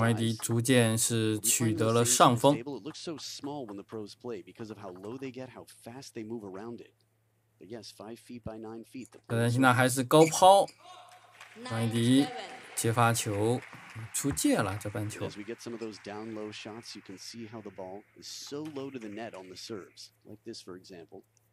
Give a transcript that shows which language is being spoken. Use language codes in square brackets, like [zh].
[zh] 王艺迪逐渐是取得了上风。 [en] It looks so small when the pros play because of how low they get, how fast they move around it. But yes, 5 feet by 9 feet. [zh] 早田希娜还是高抛，王艺迪接发球出界了，这半球。 [en] As we get some of those down low shots, you can see how the ball is so low to the net on the serves, like this, for example.